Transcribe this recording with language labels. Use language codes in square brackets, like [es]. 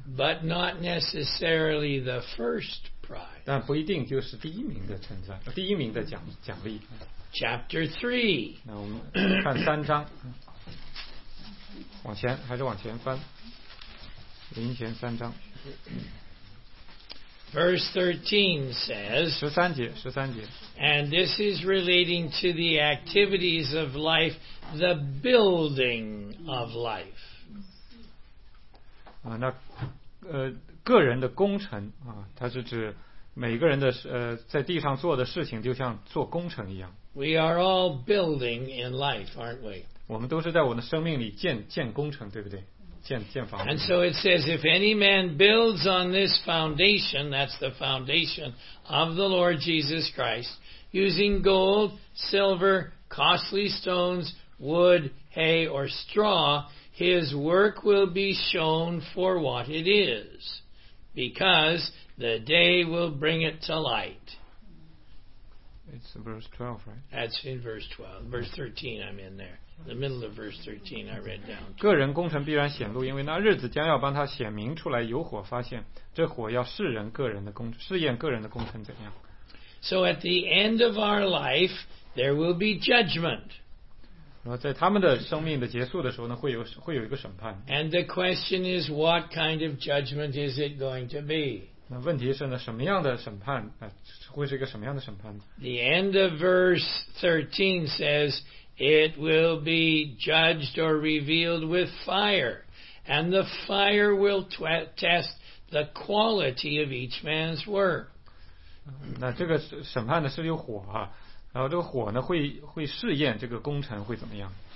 [en] But not necessarily the first prize. [zh] 但不一定就是第一名的称赞，第一名的奖励。 [en] Chapter 3. [zh] 那我们看三章，往前还是往前翻，林前三章。 [en] Verse 13 says, [zh] 13节, [en] and this is relating to the activities of life, the building of life. [zh] 那个人的工程啊，它是指每个人的在地上做的事情，就像做工程一样。 [en] We are all building in life, aren't we? [zh] 我们都是在我们的生命里建工程，对不对？ [en] And so it says, if any man builds on this foundation, that's the foundation of the Lord Jesus Christ, using gold, silver, costly stones, wood, hay, or straw, his work will be shown for what it is, because the day will bring it to light. It's verse 12, right? That's in verse 12. Verse 13, I'm in there. The middle of verse 13, I read down. [zh] 个人工程必然显露，因为那日子将要帮他显明出来，有火发现，这火要试人个人的工程，试验个人的工程怎样。 [en] So at the end of our life, there will be judgment. [zh] 然后在他们的生命的结束的时候呢，会有一个审判。 [en] And the question is, what kind of judgment is it going to be? [zh] 那问题是呢，什么样的审判？会是一个什么样的审判？ [en] The end of verse 13 says. It will be judged or revealed with fire, and the fire will test the quality of each man's work. [zh] 那这个审判呢是有火啊，然后这个火呢会试验这个工程会怎么样。